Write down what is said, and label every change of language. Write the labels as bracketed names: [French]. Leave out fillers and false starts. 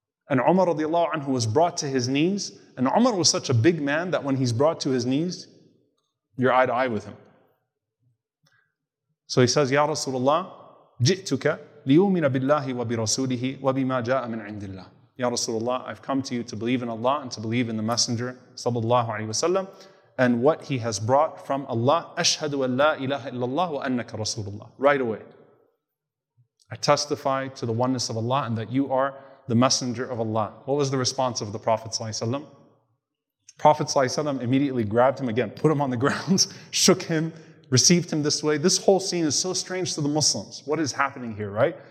[English] And Umar radiallahu anhu was brought to his knees. And Umar was such a big man that when he's brought to his knees, you're eye to eye with him. So he says, Ya Rasulullah, [Arabic] جِئْتُكَ لِيُؤْمِنَ بِاللَّهِ وَبِرَسُولِهِ وَبِمَا جَاءَ مِنْ عِنْدِ اللَّهِ [English] Ya Rasulullah, I've come to you to believe in Allah and to believe in the Messenger sallallahu alayhi wasallam and what he has brought from Allah. [Arabic] أَشْهَدُ أَنْ لَا إِلَهَ إِلَّا اللَّهُ وَأَنَّكَ رَسُولُ اللَّهِ [English] Right away. I testify to the oneness of Allah and that you are the Messenger of Allah. What was the response of the Prophet sallallahu alayhi wasallam? Prophet sallallahu alayhi wasallam immediately grabbed him again, put him on the ground, shook him, received him this way. This whole scene is so strange to the Muslims. What is happening here, right?